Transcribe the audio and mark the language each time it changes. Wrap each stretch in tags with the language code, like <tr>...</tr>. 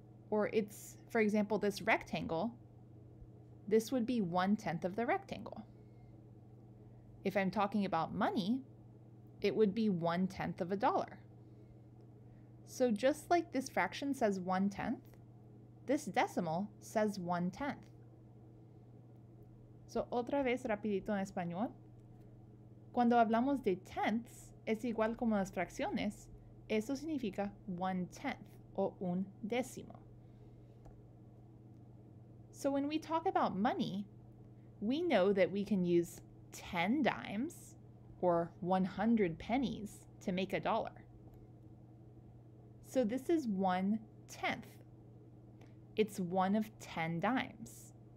<en>Or it's, for example, this rectangle, this would be 1/10 of the rectangle. If I'm talking about money, it would be 1/10 of a dollar. So just like this fraction says 1/10, this decimal says 1/10.</en> <es>So otra vez rapidito en español. Cuando hablamos de tenths, es igual como las fracciones, eso significa 1/10 o un décimo.</es> <en>So when we talk about money, we know that we can use 10 dimes or 100 pennies to make a dollar. So this is 1/10. It's one of 10 dimes.</en>